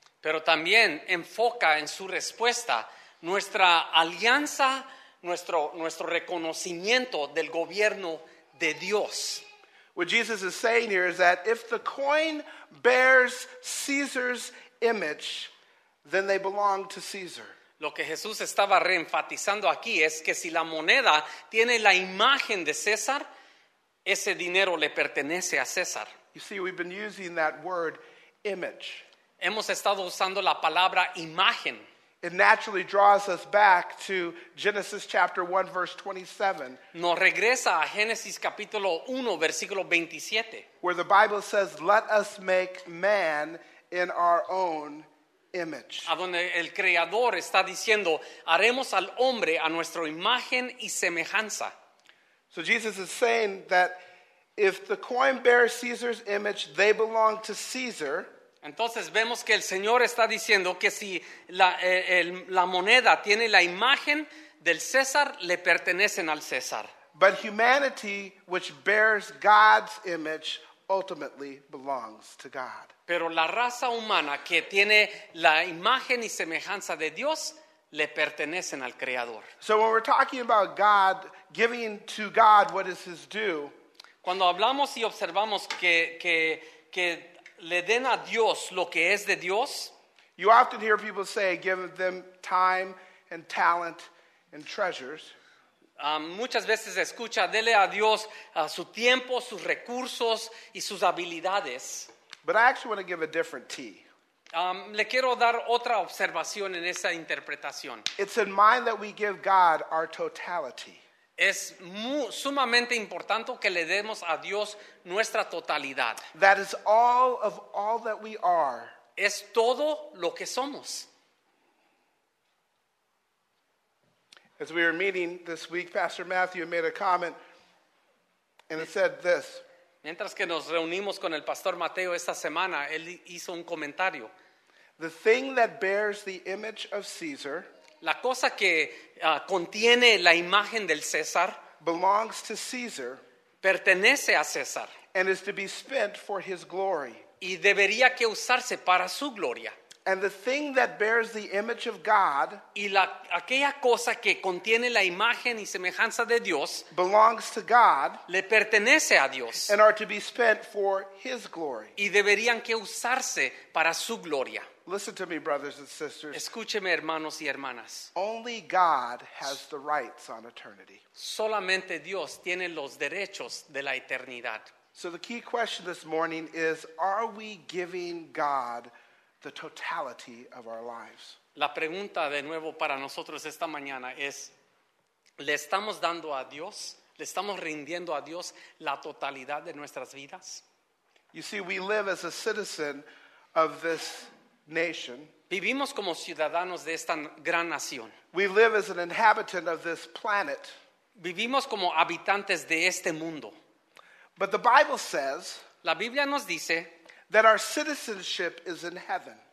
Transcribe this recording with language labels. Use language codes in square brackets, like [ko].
[es] Pero también enfoca en su respuesta nuestra alianza, nuestro reconocimiento del gobierno de Dios. [en] What Jesus is saying here is that if the coin bears Caesar's image, then they belong to Caesar. [es] Lo que Jesús estaba reenfatizando aquí es que si la moneda tiene la imagen de César, ese dinero le pertenece a César. [en] You see, we've been using that word image. [es] Hemos estado usando la palabra imagen. [en] It naturally draws us back to Genesis chapter 1, verse 27. [es] Nos regresa a Génesis capítulo 1, versículo 27. [en] Where the Bible says, let us make man in our own image. [es] A donde el creador está diciendo, haremos al hombre a nuestra imagen y semejanza. [en] So Jesus is saying that if the coin bears Caesar's image, they belong to Caesar. [es] Entonces vemos que el Señor está diciendo que si la moneda tiene la imagen del César, le pertenecen al César. [en] But humanity, which bears God's image, ultimately belongs to God. [es] Pero la raza humana que tiene la imagen y semejanza de Dios le pertenecen al Creador. [en] So when we're talking about God giving to God what is his due, [es] cuando hablamos y observamos que le den a Dios lo que es de Dios, [en] you often hear people say, give them time and talent and treasures. [es] Muchas veces escucha, dele a Dios su tiempo, sus recursos y sus habilidades. [en] But I actually want to give a different tea. [es] Le quiero dar otra observación en esa interpretación. [en] It's in mind that we give God our totality. [es] Es sumamente importante que le demos a Dios nuestra totalidad. [en] That is all of all that we are. [es] Es todo lo que somos. [en] As we were meeting this week, Pastor Matthew made a comment and it said this. [es] Mientras que nos reunimos con el Pastor Mateo esta semana, él hizo un comentario. [en] The thing that bears the image of Caesar, [es] la cosa que contiene la imagen del César, [en] belongs to Caesar, [es] pertenece a César, [en] and is to be spent for his glory. [es] Y debería que usarse para su gloria. [en] And the thing that bears the image of God, [es] y la aquella cosa que contiene la imagen y semejanza de Dios, [en] belongs to God, [es] le pertenece a Dios, [en] and are to be spent for his glory. [es] Y deberían que usarse para su gloria. [en] Listen to me, brothers and sisters. [es] Escúcheme, hermanos y hermanas. [en] Only God has the rights on eternity. [es] Solamente Dios tiene los derechos de la eternidad. [en] So the key question this morning is, are we giving God the totality of our lives? [es] La pregunta de nuevo para nosotros esta mañana es, ¿le estamos dando a Dios, le estamos rindiendo a Dios la totalidad de nuestras vidas? [en] You see, we live as a citizen of this nation. [es] Vivimos como ciudadanos de esta gran nación. [en] We live as an inhabitant of this planet. [es] Vivimos como habitantes de este mundo. [en] But the Bible says, [es] la Biblia nos dice, [en] that our citizenship is in heaven.